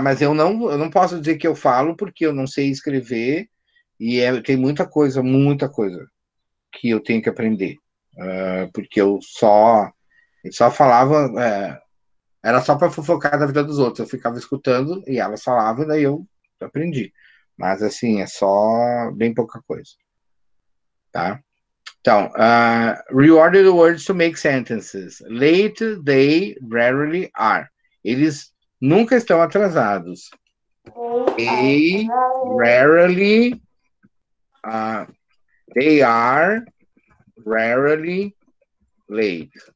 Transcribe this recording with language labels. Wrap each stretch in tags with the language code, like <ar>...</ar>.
<pt>Mas eu não posso dizer que eu falo porque eu não sei escrever e tem muita coisa que eu tenho que aprender. Porque eu só falava, era só para fofocar da vida dos outros. Eu ficava escutando e elas falavam e daí eu aprendi. Mas, assim, é só bem pouca coisa. Tá? Então,</pt> <en>reorder the words to make sentences. Late, they, rarely, are.</en> <pt>Eles nunca estão atrasados.</pt> <en>They, rarely, they are, rarely, late.</en>